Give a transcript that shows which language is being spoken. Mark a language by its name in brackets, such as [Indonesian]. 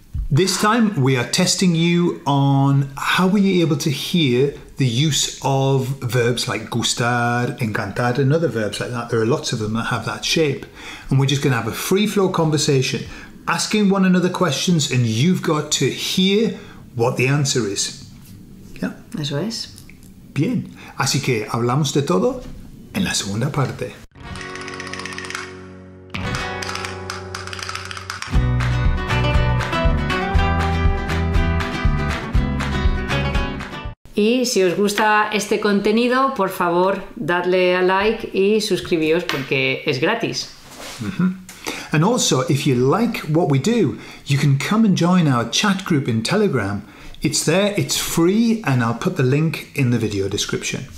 [English] This time, we are testing you on how were you able to hear the use of verbs like gustar, encantar, and other verbs like that. There are lots of them that have that shape. And we're just going to have a free-flow conversation, asking one another questions, and you've got to hear what the answer is. Yeah. [Spanish] Eso es. Bien. Así que hablamos de todo en la segunda parte. Y si os gusta este contenido, por favor, dadle a like y suscribíos porque es gratis. Mm-hmm. [English] And also, if you like what we do, you can come and join our chat group in Telegram. It's there, it's free, and I'll put the link in the video description.